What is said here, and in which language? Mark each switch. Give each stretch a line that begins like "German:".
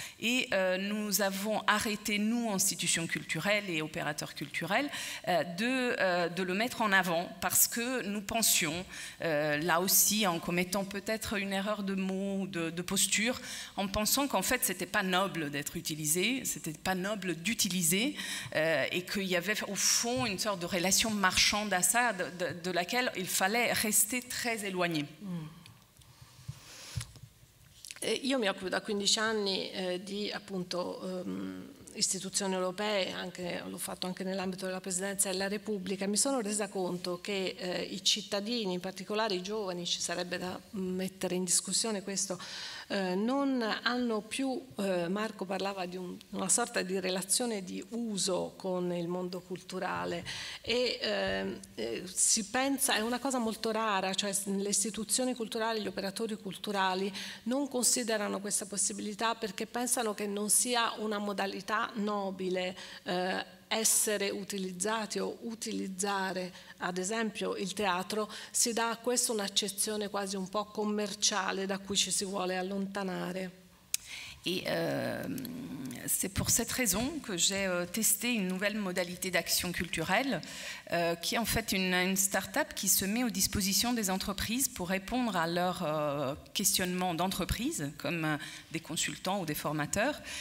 French: Et nous avons arrêté, nous, institutions culturelles et opérateurs culturels, de le mettre en avant, parce que nous pensions, là aussi, en commettant peut-être une erreur de mots, de posture, en pensant qu'en fait, c'était pas noble d'être utilisé, c'était pas noble d'utiliser, et qu'il y avait au fond une sorte de relation marchande à ça, de laquelle il fallait rester très éloigné.
Italian: Io mi occupo da 15 anni di appunto istituzioni europee, l'ho fatto anche nell'ambito della Presidenza della Repubblica, mi sono resa conto che i cittadini, in particolare i giovani, ci sarebbe da mettere in discussione questo, non hanno più, Marco parlava di una sorta di relazione di uso con il mondo culturale, e si pensa, è una cosa molto rara, cioè le istituzioni culturali, gli operatori culturali non considerano questa possibilità, perché pensano che non sia una modalità nobile essere utilizzati o utilizzare, ad esempio, il teatro, si dà a questo un'accezione quasi un po' commerciale da cui ci si vuole allontanare.
French: Et c'est pour cette raison que j'ai testé une nouvelle modalité d'action culturelle qui est en fait une start-up qui se met aux dispositions des entreprises pour répondre à leurs questionnements d'entreprise comme des consultants ou des formateurs.